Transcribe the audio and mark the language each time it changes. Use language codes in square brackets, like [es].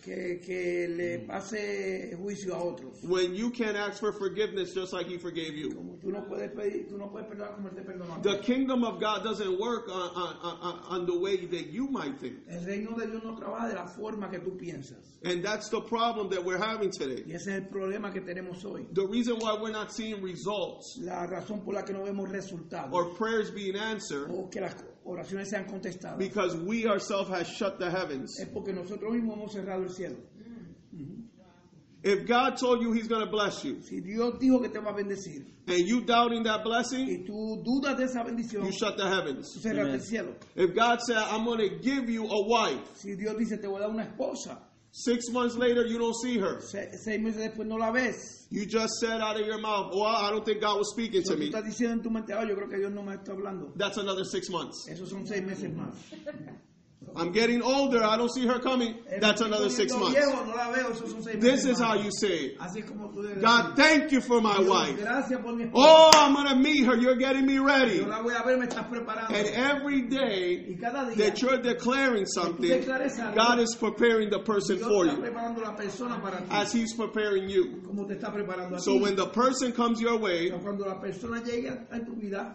[es] que le pase juicio a otros. [en] When you can't ask for forgiveness just like he forgave you. The kingdom of God doesn't work on the way that you might think. [es] El reino de Dios no trabaja de la forma que tú piensas. [en] And that's the problem that we're having today. [es] Y ese es el problema que tenemos hoy. [en] The reason why we're not seeing results, [es] la razón por la que no vemos resultados, [en] or prayers being answered, [es] o que las oraciones sean contestadas, [en] because we ourselves have shut the heavens. [es] Es porque nosotros mismos hemos cerrado el cielo. [en] If God told you he's going to bless you, [es] si Dios dijo que te va a bendecir, [en] and you doubting that blessing, [es] y tú dudas de esa bendición, [en] you shut the heavens. [es] Cerrate el cielo. [en] If God said, I'm going to give you a wife, [es] si Dios dice, te voy a dar una esposa, [en] 6 months later, you don't see her. [es] Seis meses después no la ves. [en] You just said out of your mouth, well, I don't think God was speaking to me. [es] Estás diciendo en tu mente, yo creo que Dios no me está hablando. [en] That's another 6 months. [es] Esos son seis meses más. [en] I'm getting older, I don't see her coming. That's another 6 months. [es] Viejo, no la veo, esos son seis [en] this [es] meses [en] is [es] más. [en] How you say it. [es] Así como tú debes [en] God, [es] decir. [en] Thank you for my [es] Dios, [en] wife. [es] Gracias por mi esposa. [en] Oh, I'm going to meet her. You're getting me ready. [es] Yo la voy a ver, me estás preparando. [en] And every day [es] y cada día [en] that you're declaring something, [es] tú declares algo, [en] God is preparing the person [es] Dios [en] for you. [es] Está preparando la persona para ti. [en] As he's preparing you. [es] Como te está preparando a [en] so [es] ti. [en] When the person comes your way, [es] cuando la persona llegue a tu vida,